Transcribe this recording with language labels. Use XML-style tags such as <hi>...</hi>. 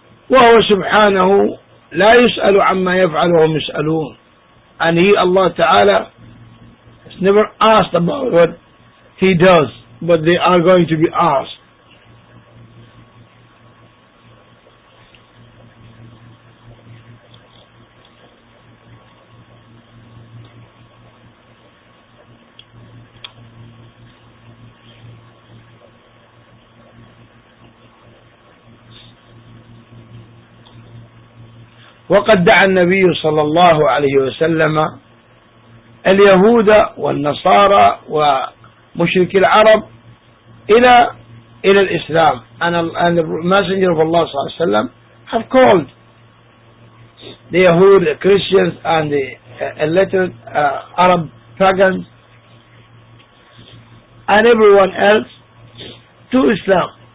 <ar>وهو سبحانه لا يسأل عما يفعل وهم يسألون.</ar> <en>And he, Allah Ta'ala, has never asked about what he does, but they are going to be asked.</en> <ar>وقد دعا النبي صلى الله عليه وسلم اليهود والنصارى ومشركي العرب إلى الإسلام.</ar> <en>And the messenger of Allah صلى الله عليه وسلم have called the Yahud, the Christians and the illiterate Arab pagans and everyone else to Islam.</en>